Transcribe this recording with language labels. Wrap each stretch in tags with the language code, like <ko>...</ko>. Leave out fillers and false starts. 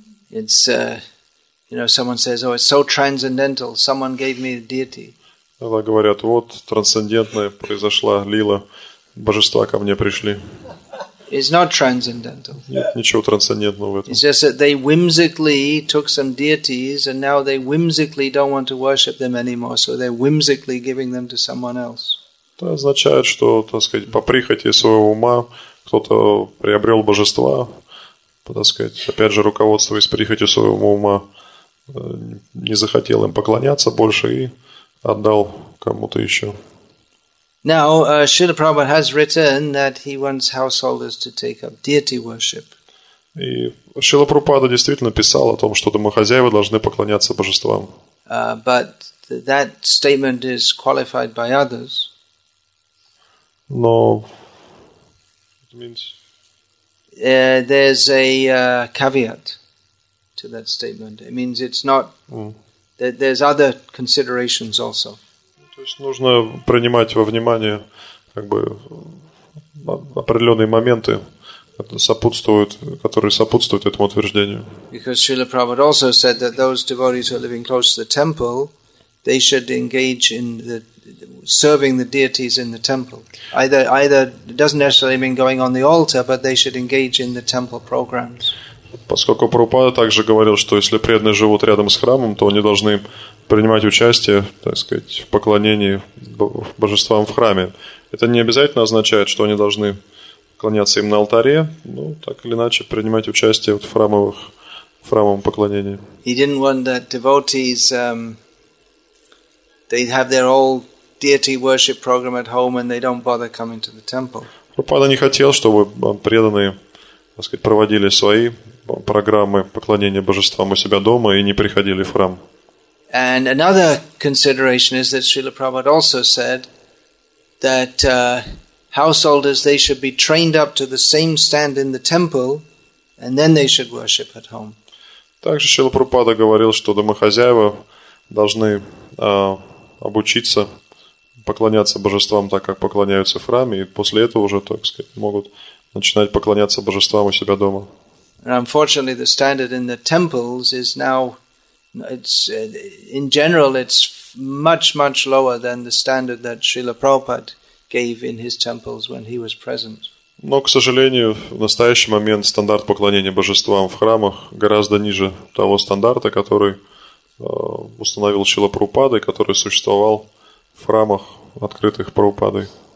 <en>It's, someone says, "Oh, it's so transcendental. Someone gave me a deity."</en> <ru>Когда говорят, вот трансцендентное произошла лила, божества ко мне пришли.</ru> <en>It's not transcendental.</en> <ru>Нет ничего трансцендентного в этом.</ru> <en>It's just that they whimsically took some deities and now they whimsically don't want to worship them anymore, so they're whimsically giving them to someone else.</en> <ru>Это означает, что, так сказать, по прихоти своего ума кто-то приобрел божества, так сказать, опять же, руководствуясь прихотью своего ума, не захотел им поклоняться больше и отдал кому-то еще.</ru> <en>Now, Srila Prabhupada has written that he wants householders to take up deity worship.</en> <ru>И Шрила Прабхупада действительно писал о том, что домохозяева должны поклоняться божествам.</ru> <en>But that statement is qualified by others.</en> <ru>Но</ru> <en>There's a caveat to that statement. It means it's not. There's other considerations also.</en> <ru>То есть нужно принимать во внимание, как бы, определенные моменты, которые сопутствуют этому утверждению.</ru> <en>Because Srila Prabhupada also said that those devotees who are living close to the temple, they should engage in the serving the deities in the temple. Either it doesn't necessarily mean going on the altar, but they should engage in the temple programs.</en> <ru>Поскольку Прабхупада также говорил, что если преданные живут рядом с храмом, то они должны принимать участие, так сказать, в поклонении божествам в храме. Это не обязательно означает, что они должны поклоняться им на алтаре, но так или иначе принимать участие в храмовом поклонении.</ru> <en>He didn't want that devotees they have their old deity worship program at home and they don't bother coming to the temple.</en> <ru>Прабхупада не хотел, чтобы преданные, так сказать, проводили свои программы поклонения божествам у себя дома и не приходили в храм.</ru> <en>And another consideration is that Srila Prabhupada also said that householders, they should be trained up to the same stand in the temple and then they should worship at home.</en> <ru>Также Шрила Прабхупада говорил, что домохозяева должны обучиться поклоняться божествам так, как поклоняются в храме, и после этого уже, так сказать, могут начинать поклоняться божествам у себя дома.</ru> <en>And unfortunately, the standard in the temples is now, in general, it's much, much lower than the standard that Srila Prabhupada gave in his temples when he was present.</en> <ru>Но, к сожалению, в настоящий момент стандарт поклонения божествам в храмах гораздо ниже того стандарта, который установил Шрила Прабхупада, который существовал в храмах, открытых Прабхупадой.</ru>